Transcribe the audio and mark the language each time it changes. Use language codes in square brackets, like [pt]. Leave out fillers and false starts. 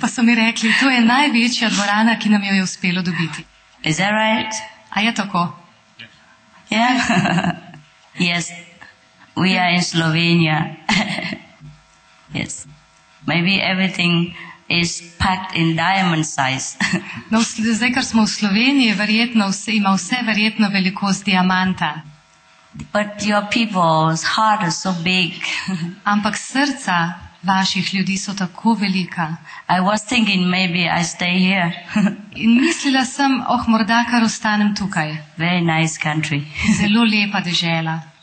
[sl] Pa so mi rekli, to je največja dvorana, ki nam jo je uspelo dobiti. [en] Is that right? [sl] A je tako? [en] Yeah. Yes. We are in Slovenia. Yes. Maybe everything is packed in diamond size. [sl] No, zdaj, kar smo v Sloveniji, verjetno vse, ima vse verjetno velikost diamanta. [en] But your people's heart is so big. [sl] Ampak srca vaših ljudi so tako velika. [en] I was thinking maybe I stay here. [sl] In mislila sem, oh, morda kar ostanem tukaj. [en] Very nice country. [sl] Zelo lepa dežela.